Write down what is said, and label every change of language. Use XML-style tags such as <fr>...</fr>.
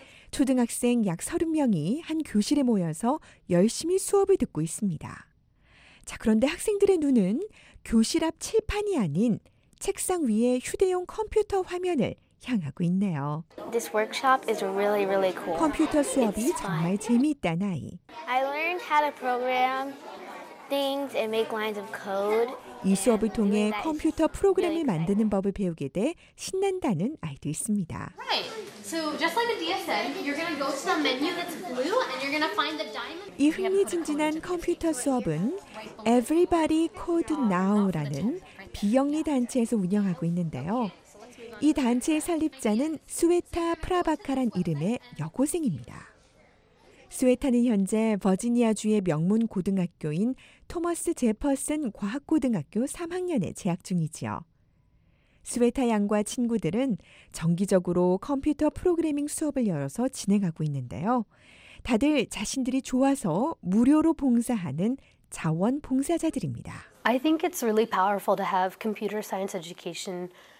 <ko>초등학생 약 30명이 한 교실에 모여서 열심히 수업을 듣고 있습니다. 자, 그런데 학생들의 눈은 교실 앞 칠판이 아닌 책상 위에 휴대용 컴퓨터 화면을 향하고 있네요.</ko> <en>This workshop is really, really cool.</en> <ko>컴퓨터 수업이 정말 재미있다는 아이.</ko> <en>I learned how to program things and make lines of code.</en> <ko>이 수업을 통해 컴퓨터 프로그램을 만드는 법을 배우게 돼 신난다는 아이도 있습니다.</ko> <en>Right. So just like the DSM, you're going to go to the menu that's blue and you're going to find the diamond.</en> <ko>이 흥미진진한 컴퓨터 수업은 Everybody Code Now라는 비영리 단체에서 운영하고 있는데요. 이 단체의 설립자는 스웨타 프라바카란 이름의 여고생입니다. 스웨타는 현재 버지니아주의 명문 고등학교인 토머스 제퍼슨 과학고등학교 3학년에 재학 중이지요. 스웨타 양과 친구들은 정기적으로 컴퓨터 프로그래밍 수업을 열어서 진행하고 있는데요. 다들 자신들이 좋아서 무료로 봉사하는 자원봉사자들입니다.</ko> <en>I think it's really powerful to have computer science education.</en>